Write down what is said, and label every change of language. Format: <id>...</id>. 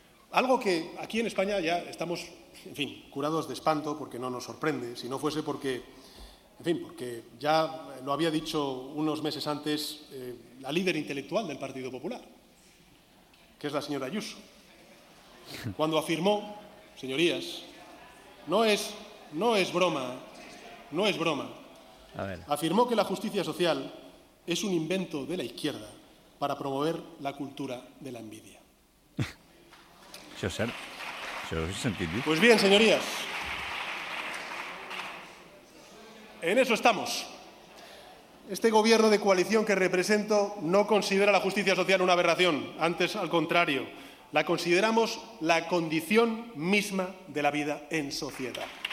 <es>Algo que aquí en España ya estamos, en fin, curados de espanto porque no nos sorprende, si no fuese porque, en fin, porque ya lo había dicho unos meses antes la líder intelectual del Partido Popular, que es la señora Ayuso. Cuando afirmó, señorías, no es broma, a ver. Afirmó que la justicia social es un invento de la izquierda para promover la cultura de la envidia.</es> <ca>Això és cert, això ho he sentit dir.</ca> <es>Pues bien, señorías, en eso estamos. Este gobierno de coalición que represento no considera la justicia social una aberración, antes al contrario. La consideramos la condición misma de la vida en sociedad.</es>